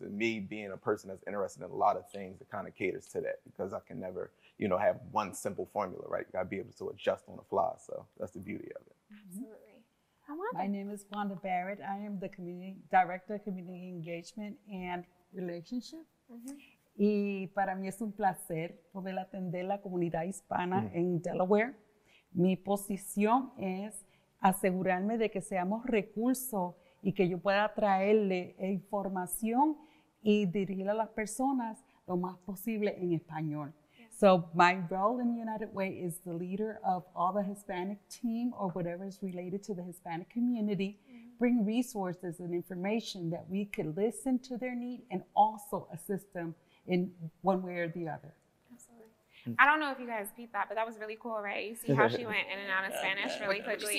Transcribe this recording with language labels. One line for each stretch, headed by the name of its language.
English: And me being a person that's interested in a lot of things, it kind of caters to that because I can never, you know, have one simple formula, right? I'd be able to adjust on the fly. So that's the beauty of it. Absolutely. Wanda. My name is Wanda Barrett. I am the Director of Community Engagement and Relationship.
Spanish: Y para mí es un placer poder atender la comunidad hispana en Delaware. Mi posición es asegurarme de que seamos recursos y que yo pueda traerle información y dirigir a las personas lo más posible en español.
English: So my role in United Way is the leader of all the Hispanic team or whatever is related to the Hispanic community, bring resources and information that we could listen to their need and also assist them in one way or the other. Absolutely. I don't know if you guys peep that, but that was really cool, right? You see how she went in and out of Spanish really quickly.